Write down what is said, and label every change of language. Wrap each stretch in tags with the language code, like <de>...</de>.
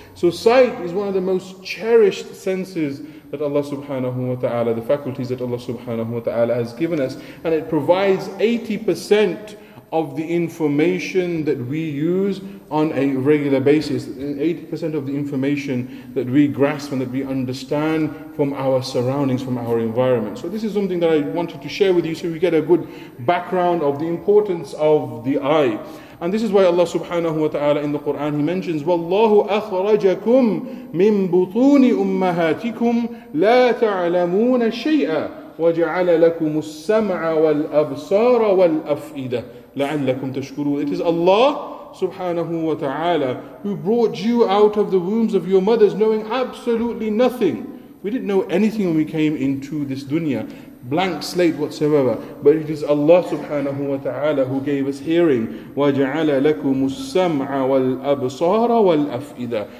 <en>So sight is one of the most cherished senses that Allah subhanahu wa ta'ala, the faculties that Allah subhanahu wa ta'ala has given us, and it provides 80% of the information that we use on a regular basis. 80% of the information that we grasp and that we understand from our surroundings, from our environment. So this is something that I wanted to share with you so we get a good background of the importance of the eye. And this is why Allah subhanahu wa ta'ala in the Quran, He mentions,</en> <ar>وَاللَّهُ أَخْرَجَكُمْ مِنْ بُطُونِ أُمَّهَاتِكُمْ لَا تَعْلَمُونَ شَيْئًا وَجَعَلَ لَكُمُ السَّمْعَ وَالْأَبْصَارَ وَالْأَفْئِدَةَ لَعَلَّكُمْ تَشْكُرُونَ.</ar> <en>It is Allah subhanahu wa ta'ala who brought you out of the wombs of your mothers knowing absolutely nothing. We didn't know anything when we came into this dunya. blank slate whatsoever, but it is Allah subhanahu wa ta'ala who gave us hearing.</en> <ar>وَجَعَلَ لَكُمُ السَّمْعَ وَالْأَبْصَارَ وَالْأَفْئِدَةَ.</ar>